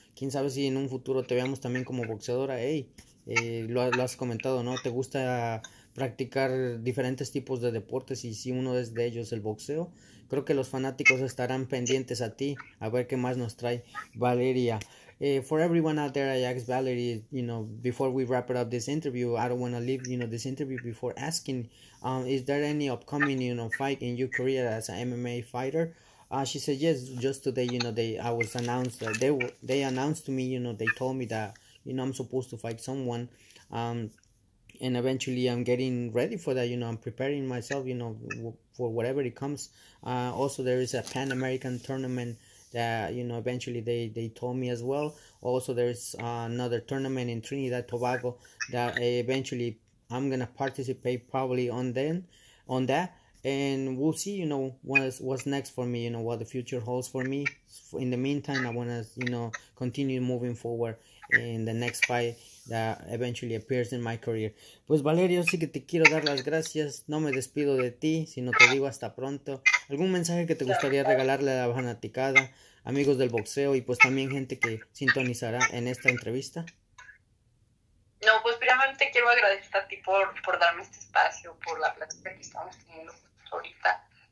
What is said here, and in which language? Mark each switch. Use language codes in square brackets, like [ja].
[es] Quién sabe si en un futuro te veamos también como boxeadora. Hey, lo has comentado, ¿no? Te gusta practicar diferentes tipos de deportes y si uno es de ellos el boxeo, creo que los fanáticos estarán pendientes a ti a ver qué más nos trae Valeria. [en] For everyone out there, I ask Valerie, before we wrap it up this interview, I don't want to leave, this interview before asking, is there any upcoming, fight in your career as an MMA fighter? She said yes, just today, I was announced that they announced to me, they told me that, I'm supposed to fight someone, and eventually I'm getting ready for that, I'm preparing myself, for whatever it comes. Also, there is a Pan American tournament that eventually they told me as well. Also, there's another tournament in Trinidad Tobago that eventually I'm gonna participate probably on that, and we'll see what's next for me, what the future holds for me. In the meantime, I wanna continue moving forward in the next fight that eventually appears in my career. [es] Pues Valerio, sí que te quiero dar las gracias. No me despido de ti, sino te digo hasta pronto. ¿Algún mensaje que te gustaría regalarle a la fanaticada, amigos del boxeo y pues también gente que sintonizará en esta entrevista? No, pues primeramente quiero agradecer a ti por darme este espacio, por la plática que estamos teniendo ahorita.